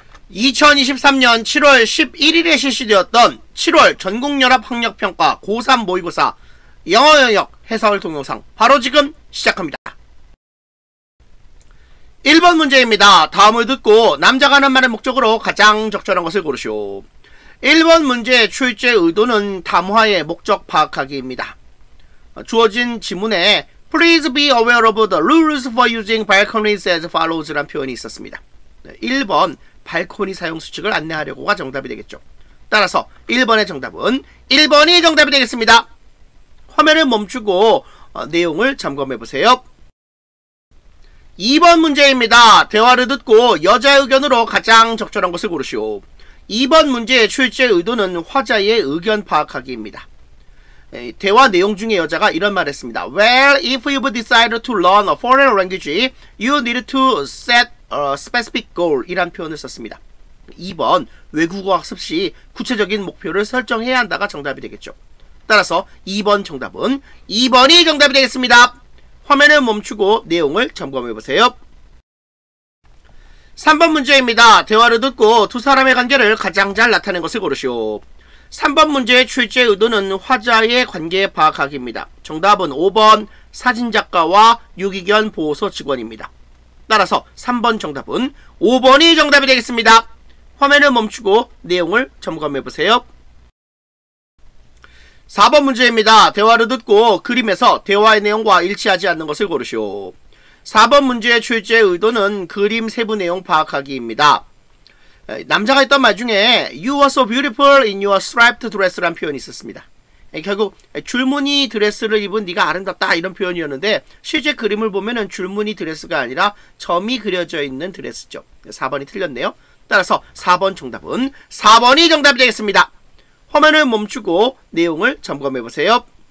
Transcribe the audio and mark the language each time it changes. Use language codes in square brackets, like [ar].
[ko] 2023년 7월 11일에 실시되었던 7월 전국연합학력평가 고3 모의고사 영어영역 해설 동영상 바로 지금 시작합니다. 1번 문제입니다. 다음을 듣고 남자가 하는 말의 목적으로 가장 적절한 것을 고르시오. 1번 문제의 출제 의도는 담화의 목적 파악하기입니다. 주어진 지문에 [en] Please be aware of the rules for using balconies as follows란 [ko] 표현이 있었습니다. 1번 발코니 사용 수칙을 안내하려고가 정답이 되겠죠. 따라서 1번의 정답은 1번이 정답이 되겠습니다. 화면을 멈추고 내용을 점검해보세요. 2번 문제입니다. 대화를 듣고 여자 의견으로 가장 적절한 것을 고르시오. 2번 문제의 출제 의도는 화자의 의견 파악하기입니다. 대화 내용 중에 여자가 이런 말을 했습니다. [en] Well, if you've decided to learn a foreign language, you need to set specific goal [ko] 이란 표현을 썼습니다. 2번 외국어 학습 시 구체적인 목표를 설정해야 한다가 정답이 되겠죠. 따라서 2번 정답은 2번이 정답이 되겠습니다. 화면을 멈추고 내용을 점검해 보세요. 3번 문제입니다. 대화를 듣고 두 사람의 관계를 가장 잘 나타낸 것을 고르시오. 3번 문제의 출제 의도는 화자의 관계 파악하기입니다. 정답은 5번 사진작가와 유기견 보호소 직원입니다. 따라서 3번 정답은 5번이 정답이 되겠습니다. 화면을 멈추고 내용을 점검해보세요. 4번 문제입니다. 대화를 듣고 그림에서 대화의 내용과 일치하지 않는 것을 고르시오. 4번 문제의 출제 의도는 그림 세부 내용 파악하기입니다. 남자가 했던 말 중에 [en] You are so beautiful in your striped dress란 [ko] 표현이 있었습니다. 결국 줄무늬 드레스를 입은 네가 아름답다 이런 표현이었는데 실제 그림을 보면은 줄무늬 드레스가 아니라 점이 그려져 있는 드레스죠. 4번이 틀렸네요. 따라서 4번 정답은 4번이 정답이 되겠습니다. 화면을 멈추고 내용을 점검해보세요.